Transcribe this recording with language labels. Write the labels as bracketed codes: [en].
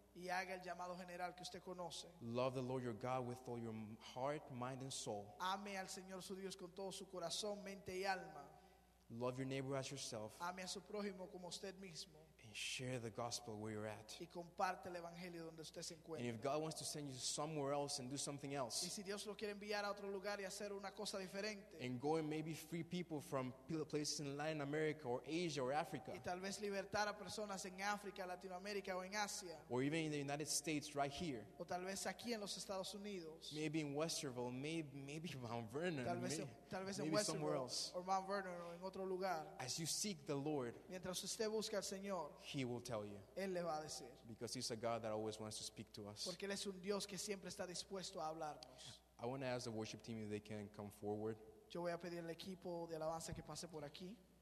[es] Y haga el llamado general que usted conoce. [en] Love the Lord your God with all your heart, mind, and soul. [es] Ame al Señor su Dios con todo su corazón, mente y alma. [en] Love your neighbor as yourself. [es] Ame a su prójimo como usted mismo. [en] And share the gospel where you're at. [es] Y comparte el evangelio donde usted se encuentra. [en] And if God wants to send you somewhere else and do something else. [es] Y si Dios lo quiere enviar a otro lugar y hacer una cosa diferente. [en] And go and maybe free people from places in Latin America or Asia or Africa. [es] Y tal vez libertar a personas en África, Latinoamérica o en Asia. [en] Or even in the United States right here. [es] O tal vez aquí en los Estados Unidos. [en] Maybe in Westerville, maybe Mount Vernon. [es] Tal vez [en] maybe [es] en Westerville [en] or Mount Vernon or in [es] otro lugar. [en] As you seek the Lord. [es] Mientras usted busca al Señor. [en] He will tell you. [es] Él le va a decir. [en] Because he's a God that always wants to speak to us. [es] Porque él es un Dios que siempre está dispuesto a hablarnos. [en] I want to ask the worship team if they can come forward. [es] Yo voy a pedir al equipo de alabanza que pase por aquí.